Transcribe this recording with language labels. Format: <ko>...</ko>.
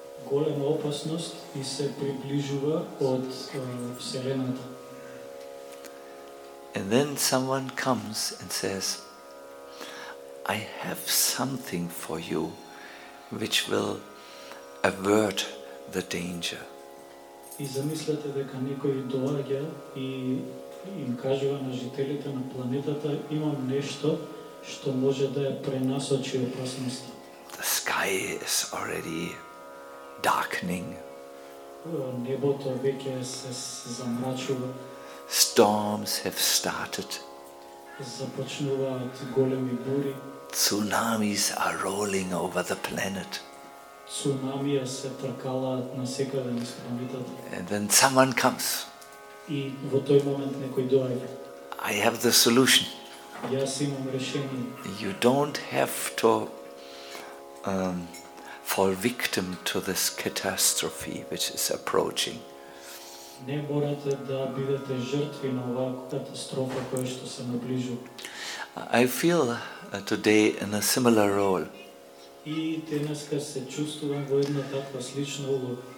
<mk>Golema opasnost i se približuva od vselenata.</mk> <en>And then someone comes and says, I have something for you which will avert the danger.</en> <mk>И замислете дека некој доаѓа и им кажува на жителите на планетата, имам нешто што може да ја пренасочи опасноста.</mk> <en>The sky is already darkening.</en> <mk>Небото веќе се замрачува.</mk> <en>Storms have started.</en> <mk>Започнуваат големи бури.</mk> <en>Tsunamis are rolling over the planet.</en> <mk>Цунамија се тркалаат на секаде на планетата.</mk> <en>And then someone comes.</en> <mk>И во тој момент некој доаѓа.</mk> <en>I have the solution.</en> <mk>Јас имам решение.</mk> <en>You don't have to fall victim to this catastrophe which is approaching.</en> <mk>Не морате да бидете жртви на оваа катастрофа која што се наближува.</mk> <en>I feel today in a similar role.</en> <mk>И денеска се чувствувам во една таква слична улога.</mk>